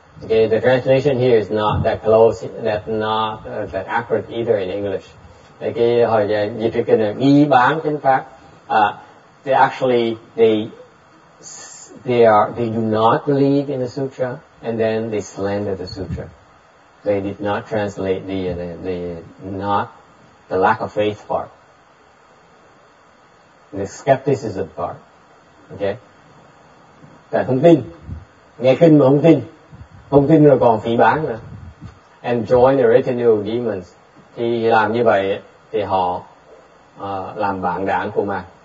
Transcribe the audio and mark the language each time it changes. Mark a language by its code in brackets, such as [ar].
[en] Okay, the translation here is not that close, that accurate either in English. [vi] Okay, họ dịch cái này nghi bán chánh pháp. [en] They do not believe in the sutra and then they slander the sutra. They did not translate the lack of faith part, the skepticism part. [vi] Okay, tại không tin, nghe kinh mà không tin rồi còn phỉ báng nữa. [en] And join the retinue of demons. [vi] Thì làm như vậy thì họ làm bạn đảng của ma.